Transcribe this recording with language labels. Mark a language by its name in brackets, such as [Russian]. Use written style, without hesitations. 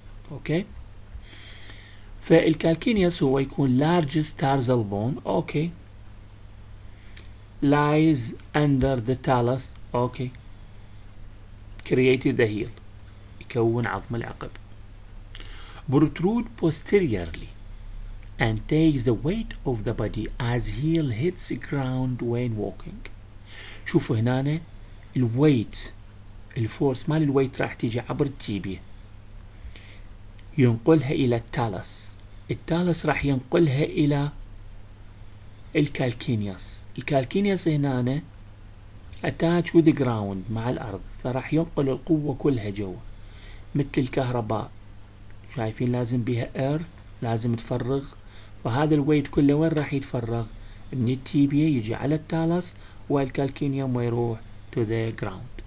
[Arabic] اوكي، فالكالكينيوس هو يكون largest tarsal bone. [English] Okay, lies under the talus. [Arabic] اوكي، created the heel، يكون عظم العقب. [English] protrude posteriorly and takes the weight of the body as heel hits ground when walking. [Arabic] شوفوا هنا الويت، الفورس مال الويت راح تيجي عبر التيبيا، ينقلها الى التالس، التالس راح ينقلها الى الكالكينيوس، الكالكينيوس هنا اتاتش وذ جراوند مع الارض، فراح ينقل القوه كلها جوا، مثل الكهرباء، شايفين لازم بها ايرث، لازم تفرغ، فهذا الويت كله وين راح يتفرغ؟ من التيبيا يجي على التالس، والكالكينيوم ويروح تو ذا جراوند.